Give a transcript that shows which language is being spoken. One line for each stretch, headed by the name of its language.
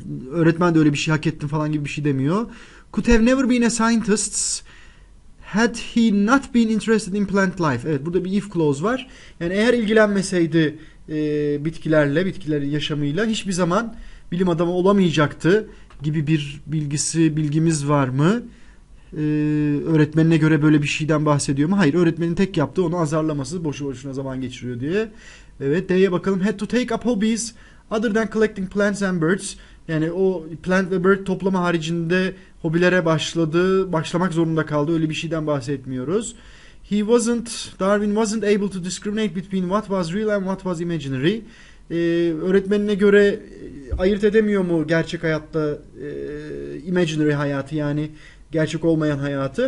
Turkish: Öğretmen de öyle bir şey hak ettim falan gibi bir şey demiyor.
English: Could have never been a scientist had he not been interested in plant life.
Turkish: Evet, burada bir if clause var. Yani eğer ilgilenmeseydi bitkilerle, bitkilerin yaşamıyla hiçbir zaman bilim adamı olamayacaktı gibi bir bilgimiz var mı? öğretmenine göre böyle bir şeyden bahsediyor mu? Hayır, öğretmenin tek yaptığı onu azarlaması, boşu boşuna zaman geçiriyor diye. Evet, D'ye bakalım.
English: Had to take up hobbies other than collecting plants and birds.
Turkish: Yani o plant ve bird toplama haricinde hobilere başlamak zorunda kaldı. Öyle bir şeyden bahsetmiyoruz.
English: Darwin wasn't able to discriminate between what was real and what was imaginary.
Turkish: Öğretmenine göre ayırt edemiyor mu gerçek hayatta imaginary hayatı, yani gerçek olmayan hayatı?